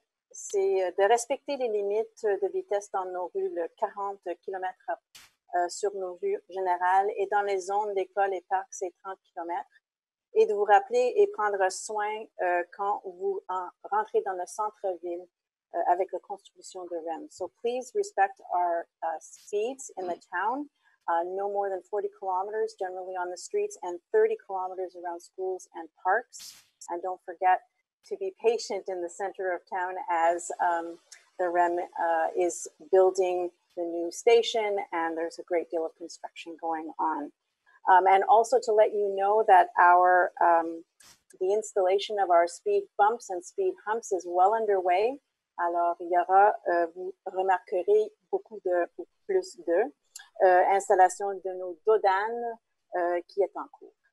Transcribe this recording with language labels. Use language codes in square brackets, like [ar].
[fr] C'est de respecter les limites de vitesse dans nos rues, le 40 km sur nos rues générales et dans les zones d'école et parcs, c'est 30 km. Et de vous rappeler et prendre soin quand vous rentrez dans le centre-ville avec la construction de REM. [en] So please respect our speeds in the town. No more than 40 kilometers generally on the streets and 30 kilometers around schools and parks. And don't forget to be patient in the center of town as the REM is building the new station and there's a great deal of construction going on. And also to let you know that our the installation of our speed bumps and speed humps is well underway. [fr] Alors, il y aura, vous remarquerez beaucoup de plus de installation de nos dodanes qui est en cours.